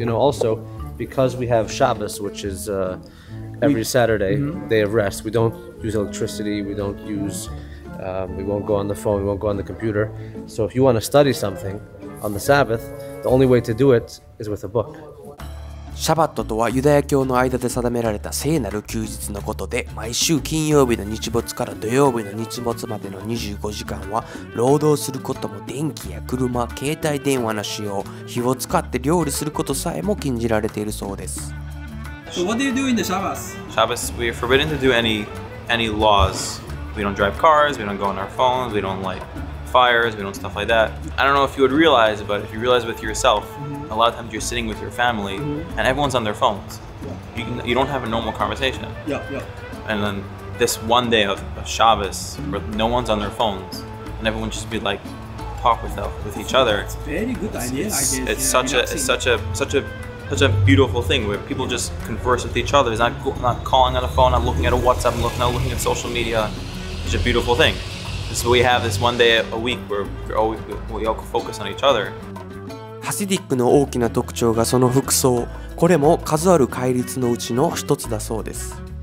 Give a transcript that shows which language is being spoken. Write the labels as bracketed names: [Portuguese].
[English] You know, also because we have Shabbos, which is, every Saturday, day of rest. We don't use electricity, we don't use, we won't go on the phone, we won't go on the computer. So if you want to study something on the Sabbath, the only way to do it is with a book. [Japanese] シャバットとはユダヤ教の間で定められた聖なる休日のことで、毎週金曜日の日没から土曜日の日没までの25時間は労働することも電気や車、携帯電話の使用、火を使って料理することさえも禁じられているそうです。 [English] So what do you do in the Shabbos? Shabbos, we are forbidden to do any laws. We don't drive cars, we don't go on our phones, we don't light fires, we don't stuff like that. I don't know if you would realize, but if you realize with yourself, a lot of times you're sitting with your family and everyone's on their phones. Yeah. You don't have a normal conversation. Yeah. And then this one day of Shabbos, where no one's on their phones, and everyone just be like, talk with each other. It's a very good idea, I guess. It's such a beautiful thing where people just converse with each other. It's not calling on a phone, not looking at a WhatsApp, not looking at social media. It's a beautiful thing. So we have this one day a week where we all focus on each other. [Japanese] ハシディックの大きな特徴がその服装。これも数ある戒律のうちの一つだそうです。